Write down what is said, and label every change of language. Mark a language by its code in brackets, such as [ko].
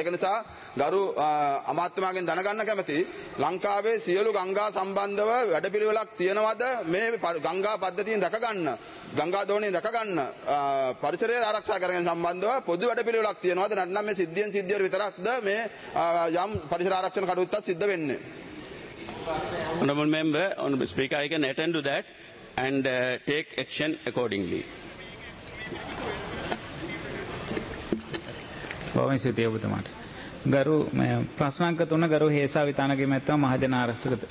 [si] ඒක නිසා ගරු අමාත්‍යාංශයෙන් දැනගන්න කැමැති ලංකාවේ සියලු ගංගා සම්බන්ධව වැඩපිළිවෙලක් තියෙනවද, මේ ගංගා පද්ධතියෙන් රැකගන්න, ගංගා දෝණයෙන් රැකගන්න, පරිසරය ආරක්ෂා කරගන්න සම්බන්ධව පොදු වැඩපිළිවෙලක් තියෙනවද, නැත්නම් මේ සිද්ධියෙන් සිද්ධිය විතරක්ද මේ යම් පරිසර ආරක්ෂණ කටයුත්ත සිද්ධ වෙන්නේ? [en] Honorable member, honorable speaker, I can attend to that and take action accordingly. [si] බොහොම සිතේ ඔබතුමාට ගරු ප්‍රශ්න අංක 3 ගරු හේසා විතානගේ මැතිතුමා මහජන ආරක්ෂක